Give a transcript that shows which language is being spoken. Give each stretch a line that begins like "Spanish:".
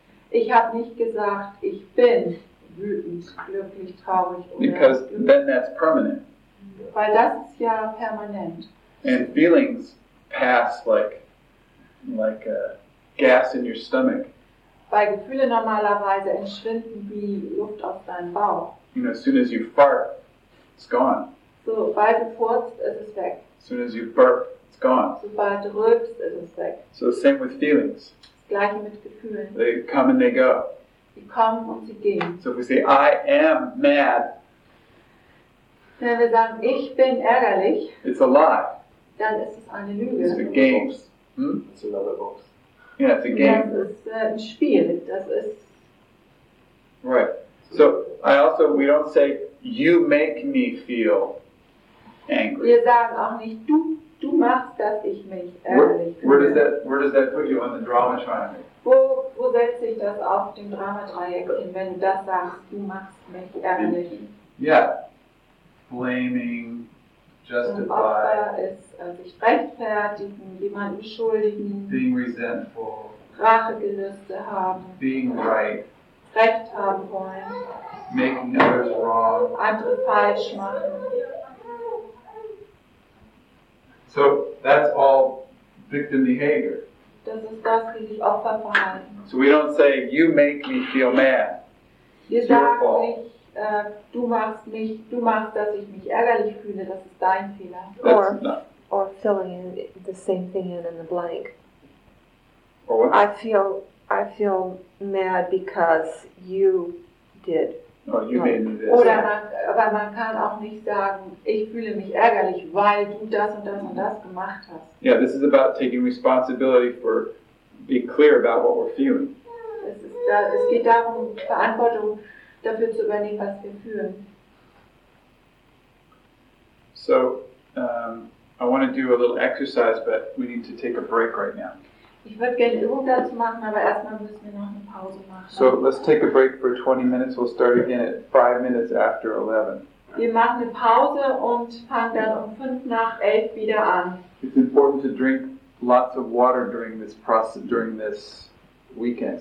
German: Ich habe nicht gesagt, ich bin wütend, glücklich, traurig oder
English: because glücklich. Then that's permanent.
German: Weil das ist ja permanent.
English: And feelings pass like a gas in your stomach.
German: Weil Gefühle normalerweise entschwinden wie Luft aus deinem Bauch.
English: You know, as soon as you fart, it's gone.
German: Sobald du furzt, ist es weg.
English: As soon as you burp, it's gone.
German: Sobald du rülpst, ist es weg.
English: So the same with feelings.
German: Gleiche mit Gefühlen.
English: They come and they go.
German: Sie kommen und sie gehen.
English: So if we say, I am mad.
German: Wenn wir sagen, ich bin ärgerlich,
English: it's a lie.
German: Dann ist es eine Lüge.
English: It's a game. It's another box. Yeah, it's a game.
German: Das ist ein Spiel. Das ist.
English: Right. So I also we don't say you make me feel angry.
German: Wir sagen auch nicht du machst, dass ich mich ärgerlich fühle.
English: Where does that put you on the drama triangle?
German: Wo setzt sich das auf dem Drama Dreieck hin, wenn du das sagst, du machst mich ärgerlich?
English: Yeah. Blaming, justify,
German: sich rechtfertigen, jemanden schuldigen,
English: being resentful,
German: Rachegelüste haben,
English: being right,
German: Recht haben wollen,
English: making others wrong,
German: andere falsch machen.
English: So that's all victim behavior.
German: Das ist das, wie sich Opferverhalten.
English: So we don't say, you make me feel mad.
German: Wir sagen nicht, du machst, dass ich mich ärgerlich fühle, das ist dein Fehler.
English: Or filling in the same thing in the blank. Or what? I feel mad because you did. Oh, you made me this.
German: Oder man kann auch nicht sagen, ich fühle mich ärgerlich, weil du das und das und das gemacht hast.
English: Yeah, this is about taking responsibility for being clear about what we're feeling.
German: Es geht darum, Verantwortung dafür zu übernehmen, was wir fühlen.
English: So, I want to do a little exercise, but we need to take a break right now.
German: Ich würde gerne Übung dazu machen, aber erstmal müssen wir noch eine Pause machen.
English: So, let's take a break for 20 minutes. We'll start again at 5 minutes after 11.
German: Wir machen eine Pause und fangen dann um 5 nach 11 wieder an.
English: It's important to drink lots of water during this weekend.